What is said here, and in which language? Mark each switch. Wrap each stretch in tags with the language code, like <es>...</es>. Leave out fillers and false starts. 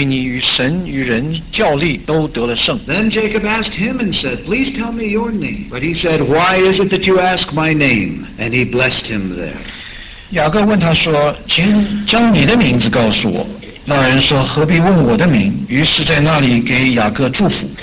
<zh>那人说你的名不再叫雅各，要叫以色列，因为你与神与人较力都得了胜。</zh> <en>Then Jacob asked him and said, Please tell me your name. But he said, Why is it that you ask my name? And he blessed him there.</en> <zh>雅各问他说，请将你的名字告诉我。那人说何必问我的名，于是在那里给雅各祝福。</zh>